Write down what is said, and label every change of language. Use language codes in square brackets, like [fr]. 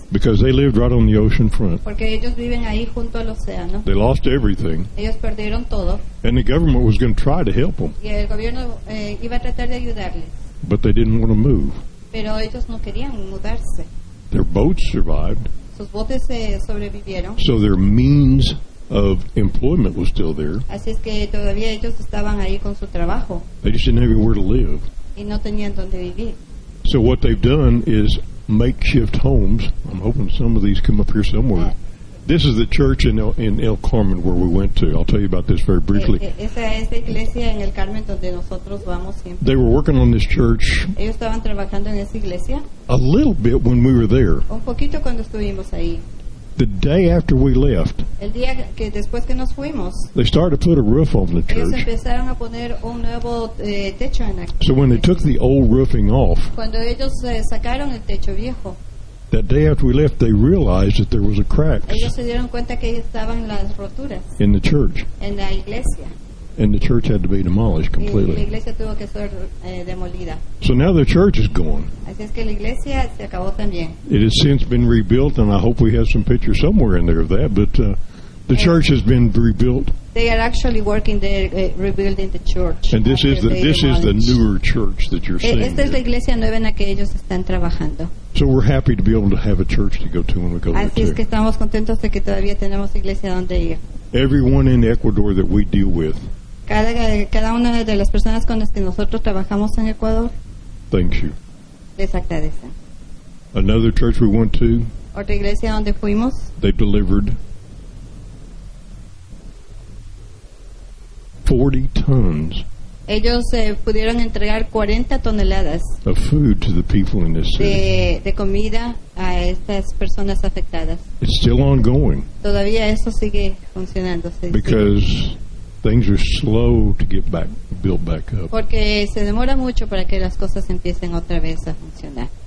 [en] Because they lived right on the ocean front. [es] Porque ellos viven ahí junto al océano. [en] They lost everything. [es] Ellos perdieron todo. [en] And the government was going to try to help them. [es] Y el gobierno iba a tratar de ayudarles. [en] But they didn't want to move. [es] Pero ellos no querían mudarse. [en] Their boats survived. [es] Sus botes sobrevivieron. [en] So their means of employment was still there. [es] Así es que todavía ellos estaban ahí con su trabajo. [en] They just didn't have anywhere to live. [es] Y no tenían donde vivir. [en] So what they've done is makeshift homes. I'm hoping some of these come up here somewhere. This is the church in El Carmen where we went to. I'll tell you about this very briefly. [es] Esa es la iglesia en El Carmen donde nosotros vamos siempre. [en] They were working on this church. [es] Ellos estaban trabajando en esa iglesia. [en] A little bit when we were there. [es] Un poquito cuando estuvimos ahí. [en] The day after we left. [es] El día que después que nos fuimos. [en] They started to put a roof on the church. [es] Ellos empezaron a poner un nuevo techo en aquí. [en] So when they took the old roofing off. [es] Cuando ellos sacaron el techo viejo. [en] That day after we left, they realized that there was a crack. [es] Ellos se dieron cuenta que estaban las roturas. [en] In the church. [es] En la iglesia. [en] And the church had to be demolished completely. [es] Y la iglesia tuvo que ser demolida. [en] So now the church is gone. [es] Así es que la iglesia se acabó también. [en] It has since been rebuilt, and I hope we have some pictures somewhere in there of that, but the church has been rebuilt. They are actually working there, rebuilding the church. And this is the newer church that you're seeing. [es] Esta es la iglesia nueva en la que ellos están trabajando. [en] So we're happy to be able to have a church to go to when we go [es] Así [en] there. [es] Así es que estamos contentos de que todavía tenemos iglesia donde ir. [en] Everyone in Ecuador that we deal with. [es] Cada una de las personas con las que nosotros trabajamos en Ecuador. [en] Thank you. [es] Les agradece. [en] Another church we went to. [es] Otra iglesia donde fuimos. [en] They delivered 40 tons. [es] Ellos pudieron entregar 40 toneladas. [en] Of food to the people in this city. [es] De comida a estas personas afectadas. [en] It's still ongoing. [es] Todavía eso sigue funcionando. [en] Because things are slow to get back built back up. [es] Porque se demora mucho para que las cosas empiecen otra vez a funcionar.